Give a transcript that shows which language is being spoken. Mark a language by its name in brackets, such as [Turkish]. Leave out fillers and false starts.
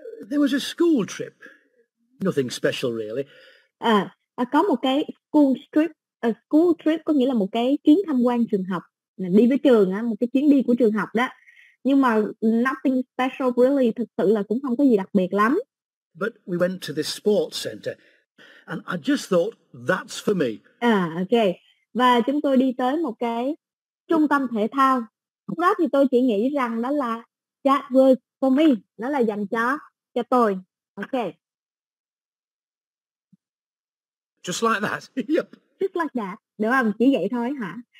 [English] There was a school trip. Nothing special really. [Vietnamese] Có một cái school trip. A school trip có nghĩa là một cái chuyến tham quan trường học, đi với trường á, một cái chuyến đi của trường học đó. Nhưng mà [English] nothing special really, [Vietnamese] thực sự là cũng không có gì đặc biệt lắm. [English] But we went to this sports center and I just thought that's for me. Okay. [Vietnamese] Và chúng tôi đi tới một cái trung tâm thể thao. Lúc đó thì tôi chỉ nghĩ rằng đó là [English] that was for me, [Vietnamese] nó là dành cho tôi. [English] Okay. Just like that. Yep. Just like that. [Vietnamese] Đúng không? Chỉ vậy thôi hả?